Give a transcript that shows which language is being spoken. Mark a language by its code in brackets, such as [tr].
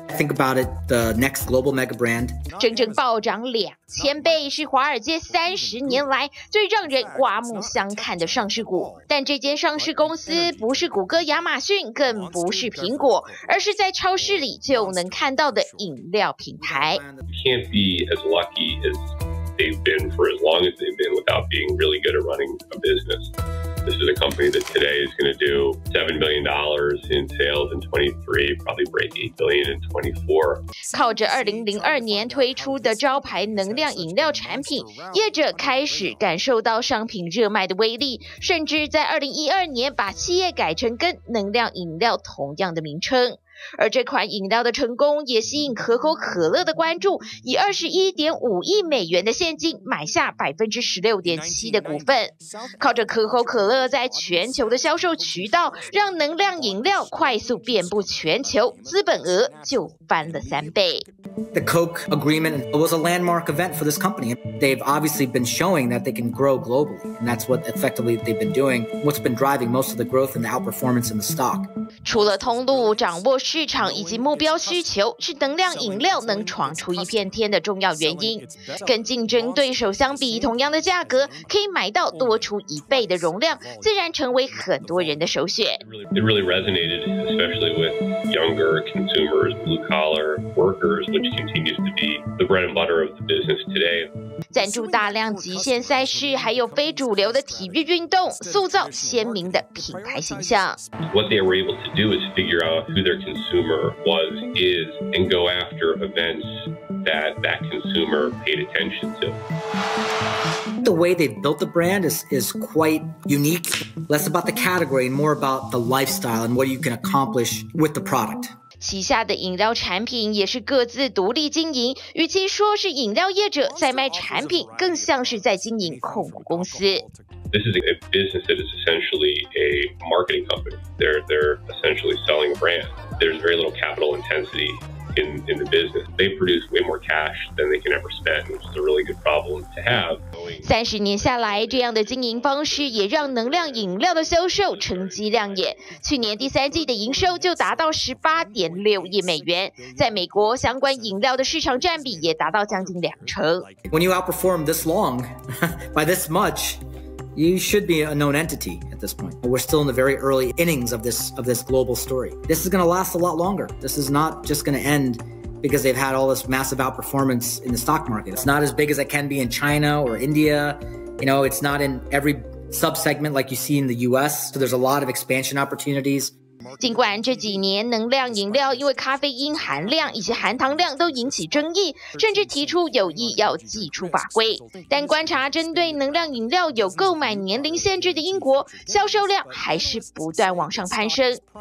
[en] think about it, the next global mega brand. [zh] 整整暴涨2000倍，是华尔街30年来最让人刮目相看的上市股。但这间上市公司不是谷歌、亚马逊，更不是苹果，而是在超市里就能看到的饮料品牌。 [en] Can't be as lucky as they've been for as long as they've been without being really good at running a business. This is a company that today is going to do $7 million in sales in 23, probably break $8 billion in 24. [zh] 靠着2002年推出的招牌能量饮料产品，业者开始感受到商品热卖的威力，甚至在2012年把企业改成跟能量饮料同样的名称。而这款饮料的成功也吸引可口可乐的关注，以 21.5 亿美元的现金买下 16.7% 的股份。靠着可口可乐在全球的销售渠道，让能量饮料快速遍布全球，资本额就翻了三倍。 [en] The Coke agreement was a landmark event for this company. They've obviously been showing that they can grow globally, and that's what effectively they've been doing, what's been driving most of the growth and the outperformance in the stock. [zh] 除了通路掌握市场以及目标需求是能量饮料能闯出一片天的重要原因。跟竞争对手相比，同样的价格可以买到多出一倍的容量，自然成为很多人的首选。 [en] It really resonated, especially with younger consumers, blue collar workers, which continues to be the bread and butter of the business today. [zh] 赞助大量极限赛事，还有非主流的体育运动，塑造鲜明的品牌形象。 [en] What they were able to do is figure out who their consumer was, is, and go after events that that consumer paid attention to. The way they built the brand is quite unique. Less about the category and more about the lifestyle and what you can accomplish with the product. [zh] 旗下的饮料产品也是各自独立经营，与其说是饮料业者在卖产品，更像是在经营控股公司。 [en] This is a business that is essentially a marketing company. They're essentially selling a brand. There's very little capital intensity in the business. They produce way more cash than they can ever spend, which is a really good problem to have. [zh] 三十年下来，这样的经营方式也让能量饮料的销售成绩亮眼。去年第三季的营收就达到18.6亿美元，在美国相关饮料的市场占比也达到将近20%。 [en] When you outperform this long, by this much, you should be a known entity at this point. We're still in the very early innings of this global story. This is going to last a lot longer. This is not just going to end. Because they've had all this massive outperformance in the stock market. It's not as big as it can be in China or India. You know, it's not in every subsegment like you see in the US. So there's a lot of expansion opportunities. [zh] 尽管这几年能量饮料因为咖啡因含量以及含糖量都引起争议，甚至提出有意要祭出法规，但观察针对能量饮料有购买年龄限制的英国，销售量还是不断往上攀升。